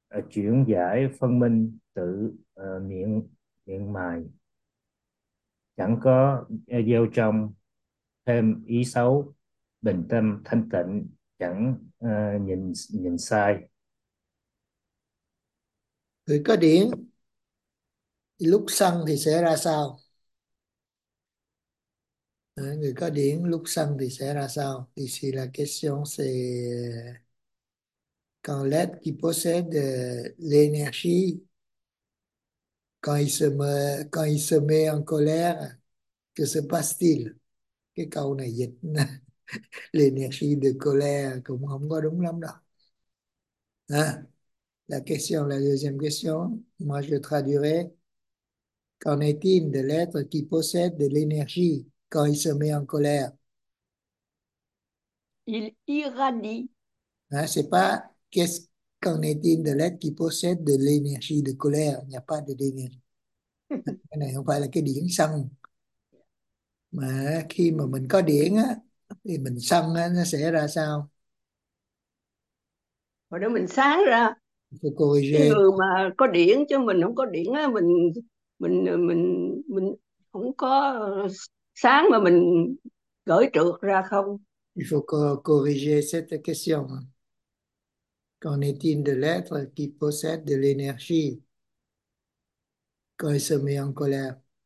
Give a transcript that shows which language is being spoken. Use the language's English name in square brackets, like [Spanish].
[Vietnamese] chuyển giải phân minh tự miệng miệng mài, chẳng có gieo trong thêm ý xấu, bình tâm thanh tịnh, chẳng nhìn sai. Người có điển lúc sân thì sẽ ra sao? Người có điển lúc sân thì sẽ ra sao? [French] Ici la question c'est quand l'être qui possède l'énergie, quand il se met en colère, que se passe-t-il? [Vietnamese] Cái câu này dịch [French] l'énergie de colère [Vietnamese] cũng không có đúng lắm đâu. [French] À, la question, la deuxième question, moi je traduirai, qu'en est-il de l'être qui possède de l'énergie quand il se met en colère? Il irradie. Hein, c'est pas qu'est-ce qu'en est-il de l'être qui possède de l'énergie de colère? Il n'y a pas de l'énergie. [Vietnamese] Cái này không phải là cái điển sân. Mà khi mà mình có điển á, thì mình sân á, nó sẽ ra sao? Hồi đó mình sáng ra. Phải corriger. Cái người mà có điển chứ mình không có điển á, mình không có sáng mà mình gửi trượt ra không? [French] Il faut corriger cette question. Qu'en est-il de l'être qui possède de l'énergie quand il se met en colère?